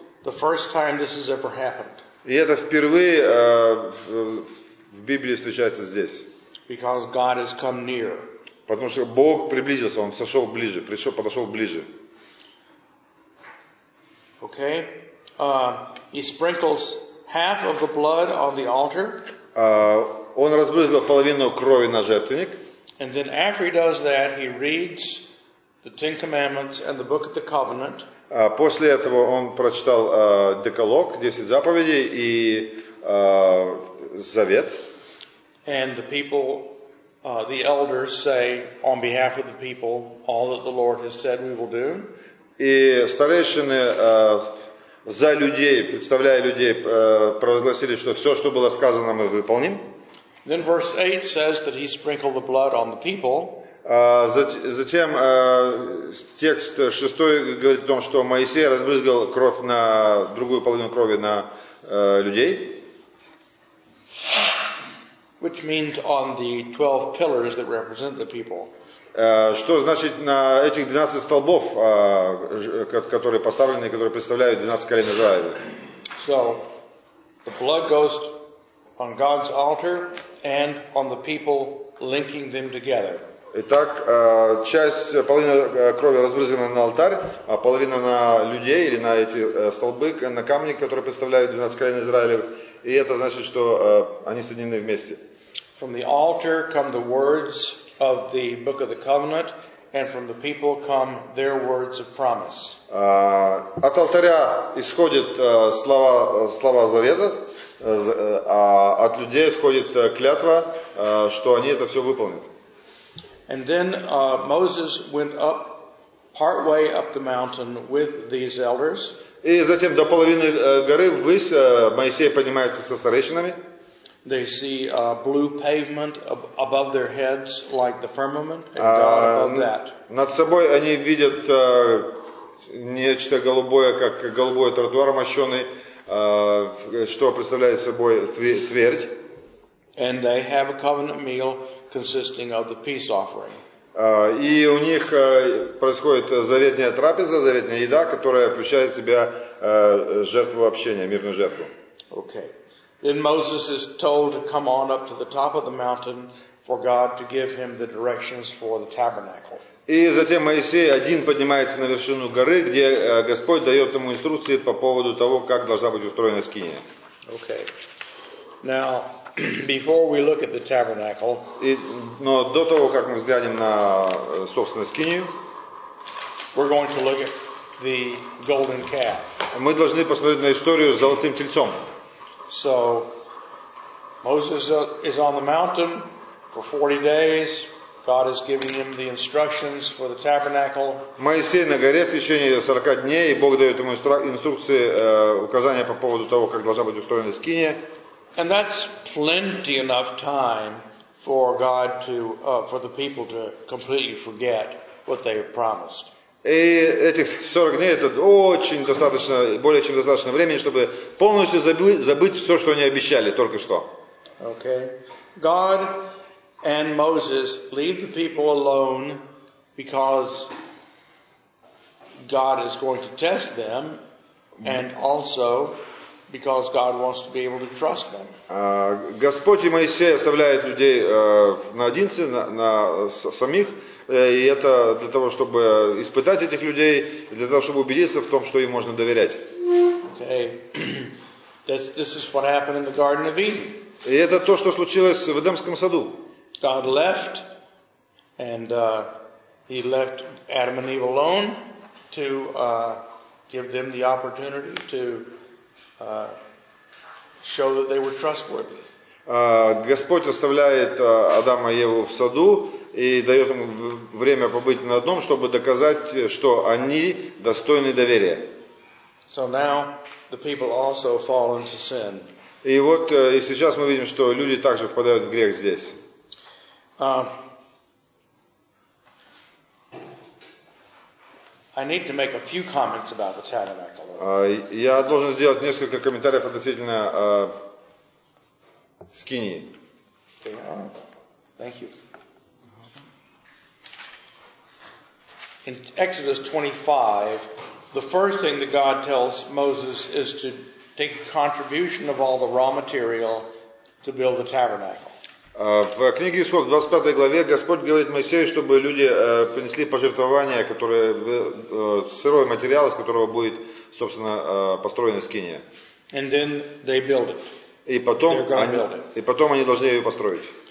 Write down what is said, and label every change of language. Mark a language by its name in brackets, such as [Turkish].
[English] The first time this has ever happened. [Russian] И это впервые в Библии встречается здесь. [English] Because God has come near. [Russian] Потому что Бог приблизился, Он сошел ближе, пришел, подошел ближе. [English] Okay. He sprinkles half of the blood on the altar. [Russian] Он разбрызгал половину крови на жертвенник. [English] And then after he does that, he reads the Ten Commandments and the Book of the Covenant. [Russian] После этого он прочитал Деколог, 10 заповедей и Завет. [English] And the people, the elders say, on behalf of the people, all that the Lord has said we will do. [Russian] И старейшины за людей, представляя людей, провозгласили, что все, что было сказано, мы выполним. [English] Then verse 8 says that he sprinkled the blood on the people. [Russian] Затем текст 6 говорит о том, что Моисей разбрызгал кровь на другую половину крови на людей. [English] Which means on the 12 pillars that represent the people. [Russian] Что значит на этих 12 столбов, которые поставлены, которые представляют 12 колен Израиля. [English] So, the blood goes on God's altar and on the people linking them together. [Russian] Итак, часть, половина крови разбрызгана на алтарь, а половина на людей или на эти столбы, на камни, которые представляют 12 колен Израиля. И это значит, что они соединены вместе. [English] From the altar come the words of the Book of the Covenant, and from the people come their words of promise. [Russian] От алтаря исходят слова завета, а от людей исходит клятва, что они это все выполнят. [English] And then Moses went up partway up the mountain with these elders. [Russian] И затем до половины горы ввысь Моисей поднимается со старейшинами. [English] They see a blue pavement above their heads like the firmament and God above that. [Russian] Над собой они видят нечто голубое, как голубой тротуар мощёный, что представляет собой твердь. [English] And they have a covenant meal consisting of the peace offering. [Russian] И у них происходит заветная трапеза, заветная еда, которая включает в себя жертву общения, мирную жертву. [English] Okay. Then Moses is told to come on up to the top of the mountain for God to give him the directions for the tabernacle. [Russian] И затем Моисей один поднимается на вершину горы, где Господь дает ему инструкции по поводу того, как должна быть устроена скиния. [English] Okay. Now, before we look at the tabernacle, [Russian] но до того, как мы взглянем на собственную скинию, [English] we're going to look at the golden calf. [Russian] Мы должны посмотреть на историю с золотым тельцом. [English] So, Moses is on the mountain for 40 days. God is giving him the instructions for the tabernacle. [Russian] Моисей на горе в течение 40 дней, и Бог дает ему инструкции, указания по поводу того, как должна быть устроена скиния. [English] And that's plenty enough time for God to, for the people to completely forget what they promised. [Russian] И этих 40 дней это очень достаточно, более чем достаточно времени, чтобы полностью забыть все, что они обещали только что. [English] Okay. God and Moses leave the people alone because God is going to test them and also because God wants to be able to trust them. [Russian] Господь и Моисей оставляют людей наедине, на самих, и это для того, чтобы испытать этих людей, для того, чтобы убедиться в том, что им можно доверять. [English] Okay. This is what happened in the Garden of Eden. [Russian] И это то, что случилось в Эдемском саду. [English] God left, and he left Adam and Eve alone to give them the opportunity to show that they were trustworthy. [Russian] Господь оставляет Адама и Еву в саду и дает им время побыть на одном, чтобы доказать, что они достойны доверия. [English] So now the people also fall into sin. [Russian] И вот и сейчас мы видим, что люди также впадают в грех здесь. [English] I need to make a few comments about the tabernacle. [Russian] Я должен сделать несколько комментариев относительно скинии. [English] Okay, thank you. In Exodus 25, the first thing that God tells Moses is to take a contribution of all the raw material to build the tabernacle. [Russian] В книге Исход, в 25 главе, Господь говорит Моисею, чтобы люди принесли пожертвование, которое сырой материал, из которого будет, собственно, построена скиния. [English] And then they build it. [Russian] И потом, и потом они должны ее построить.